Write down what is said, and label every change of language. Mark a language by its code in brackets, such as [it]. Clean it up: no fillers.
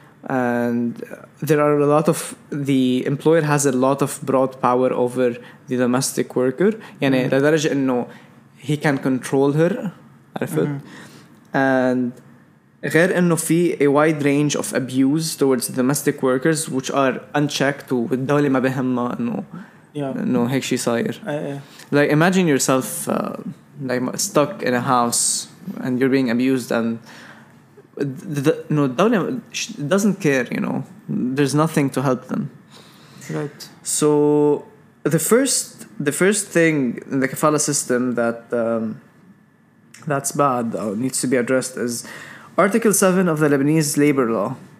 [en] And there are a lot of, the employer has a lot of broad power over the domestic worker. He can control her. And [ar] غير انه في [en] a wide range of abuse towards the domestic workers, which are unchecked. [ar] والدولة ما بهمها انه هيك شي صاير. [en] Like imagine yourself like stuck in a house and you're being abused, and the government doesn't care, you know. There's nothing to help them. Right. So the first thing in the kafala system that that's bad or needs to be addressed is Article 7 of the Lebanese labor law.